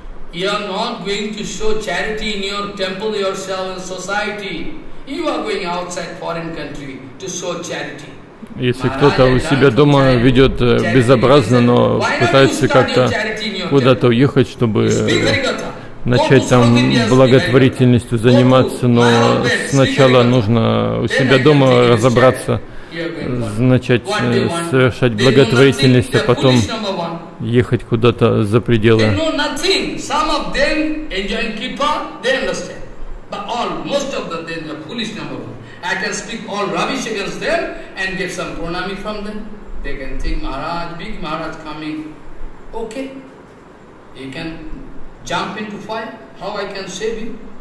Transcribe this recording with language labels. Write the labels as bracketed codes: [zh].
[en] You are not going to show charity in your temple yourself in society. You are going outside foreign country to show charity. [ru] Если кто-то у себя дома ведет безобразно, но пытается как-то куда-то уехать, чтобы начать там благотворительностью заниматься, но сначала нужно у себя дома разобраться, начать совершать благотворительность, а потом ехать куда-то за пределы. [en] Some of them enjoying kippah, they understand. But all, most of them, they are foolish number one. I can speak all rubbish against them and get some pranami from them. They can think Maharaj, big Maharaj coming. Okay. You can jump into fire. How I can save you?